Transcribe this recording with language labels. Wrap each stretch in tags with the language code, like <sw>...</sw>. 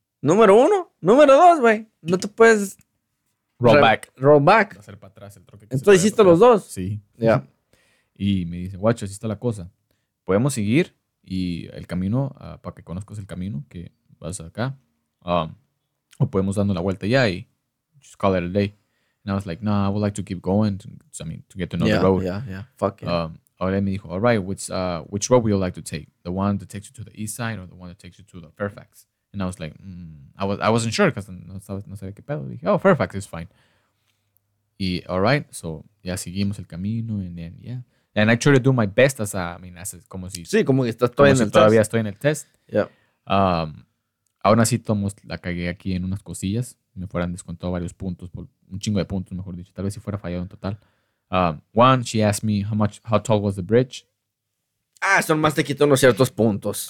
<es>Número uno. Número dos, güey. No te puedes...</es> <en>Roll back.</en> <es>Hacer para atrás el troque. Entonces hiciste los dos. Sí. Ya. Yeah. Y me dice, guacho, así está la cosa. Podemos seguir y el camino, para que conozcas el camino que vas acá. O podemos dando la vuelta ya y</es> <en>just call it a day. And I was like, no, I would like to keep going to get to another road. Yeah. Fuck yeah.</en> <es>Ahora me dijo,</es> <en>all right, which road would you like to take? The one that takes you to the east side or the one that takes you to the Fairfax? And I was like, I wasn't sure because</en> <es>no sabía qué pedo. Dije,</es> <en>oh, Fairfax is fine. Y all right, so</en> <es>ya seguimos el camino</es> <en>and then, yeah. And I tried to do my best</en> <es>como si todavía estoy en el test.</es> <en>Yeah.</en> <es>Aún así, la cagué aquí en unas cosillas. Me fueran descontado varios puntos, un chingo de puntos, mejor dicho. Tal vez si fuera fallado en total.</es> <en>One, she asked me how tall was the bridge.</en> <es>Ah, son más te quitó unos ciertos puntos.</es>